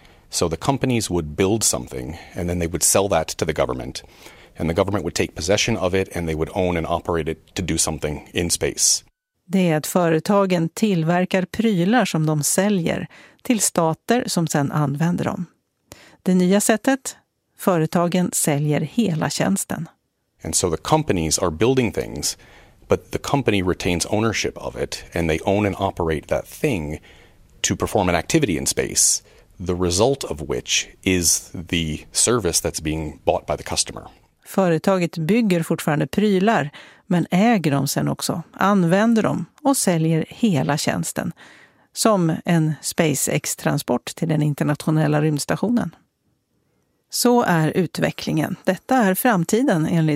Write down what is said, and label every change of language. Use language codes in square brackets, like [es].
[en] So the companies would build something and then they would sell that to the government. And the government would take possession of it and they would own and operate it to do something in space. [sv] Det är att företagen tillverkar prylar som de säljer till stater som sedan använder dem. Det nya sättet, företagen säljer hela tjänsten. [en] And so the companies are building things, but the company retains ownership of it and they own and operate that thing to perform an activity in space, the result of which is the service that's being bought by the customer. [sv] Företaget bygger fortfarande prylar, men äger dem sen också, använder dem och säljer hela tjänsten. Som en SpaceX-transport till den internationella rymdstationen. Så är utvecklingen. Detta är framtiden enligt